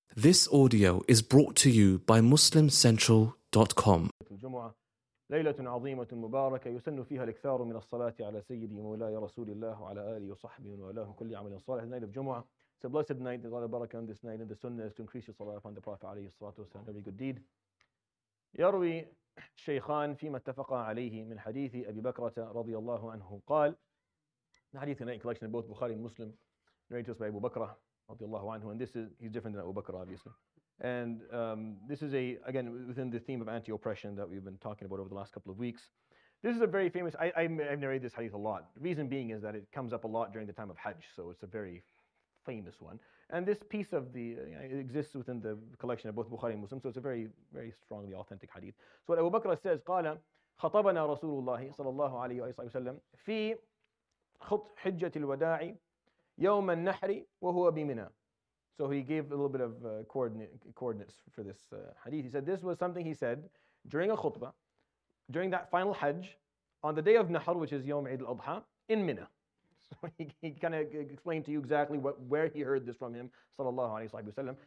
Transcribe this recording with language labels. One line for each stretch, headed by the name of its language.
English: This audio is brought to you by MuslimCentral.com.
Arabic: الجمعه ليله عظيمه مباركه يسن فيها الاكثار من الصلاه على سيدي مولاي رسول الله وعلى اله وصحبه وله كل عمل صالح. ليله الجمعه,
English: it's a blessed night. There's a lot of barakah on this night, and the sunnah is to increase your salah upon the Prophet
Arabic: عليه الصلاة والسلام,
English: every good deed.
Arabic: يروي الشيخان فيما اتفق عليه من حديث أبي بكرة رضي الله عنه قال,
English: the hadith in a collection of both Bukhari and Muslim, narrated by Abu Bakr
Arabic: رضي الله عنه,
English: and this is, he's different than Abu Bakr obviously, and this is a, again, within the theme of anti-oppression that we've been talking about over the last couple of weeks. This is a very famous, I've narrated this hadith a lot. The reason being is that it comes up a lot during the time of Hajj, so it's a very famous one. And this piece of the, it exists within the collection of both Bukhari and Muslim, so it's a very, very strongly authentic hadith. So what Abu Bakr says,
Arabic: قال خطبنا رسول الله صلى الله عليه وسلم في خط حجة الوداع يوم النحر وهو بمنى.
English: So he gave a little bit of coordinates for this hadith. He said this was something he said during a khutbah, during that final Hajj, on the day of Nahr, which is Yawm Eid al-Adha, in Mina. So he kind of explained to you exactly where he heard this from him, sallallahu alayhi wa sallam.